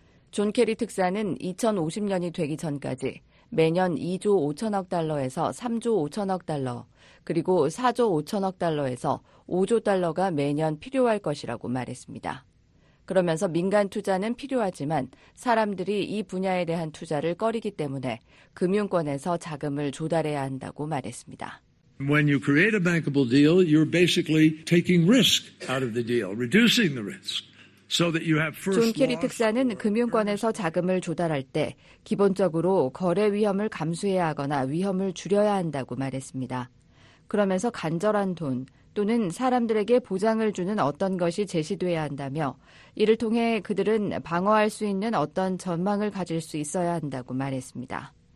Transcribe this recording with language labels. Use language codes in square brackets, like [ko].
[ko] 존 케리 특사는 2050년이 되기 전까지 매년 2조 5천억 달러에서 3조 5천억 달러, 그리고 4조 5천억 달러에서 5조 달러가 매년 필요할 것이라고 말했습니다. 그러면서 민간 투자는 필요하지만 사람들이 이 분야에 대한 투자를 꺼리기 때문에 금융권에서 자금을 조달해야 한다고 말했습니다. [en] When you create a bankable deal, you're basically taking risk out of the deal, reducing the risk. [ko] 존 케리 특사는 금융권에서 자금을 조달할 때 기본적으로 거래 위험을 감수해야 하거나 위험을 줄여야 한다고 말했습니다. 그러면서 간절한 돈 또는 사람들에게 보장을 주는 어떤 것이 제시돼야 한다며 이를 통해 그들은 방어할 수 있는 어떤 전망을 가질 수 있어야 한다고 말했습니다.